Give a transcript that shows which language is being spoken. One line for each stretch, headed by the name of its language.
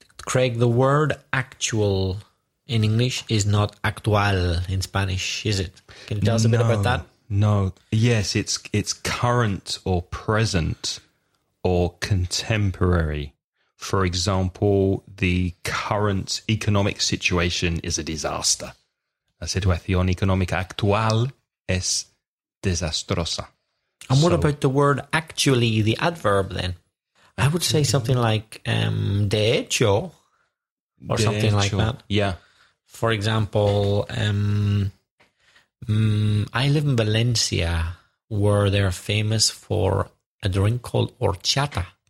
English: Craig, the word actual in English is not actual in Spanish, is it? Can you tell us a bit about that? No. Yes, it's current or present or contemporary. For example, the current economic situation is a disaster.
Spanish: La situación económica actual es desastrosa.
English: And what about the word actually, the adverb then? I would say something like
Spanish: de hecho
English: or something like that. Yeah. For example, I live in Valencia, where they're famous for a drink called horchata.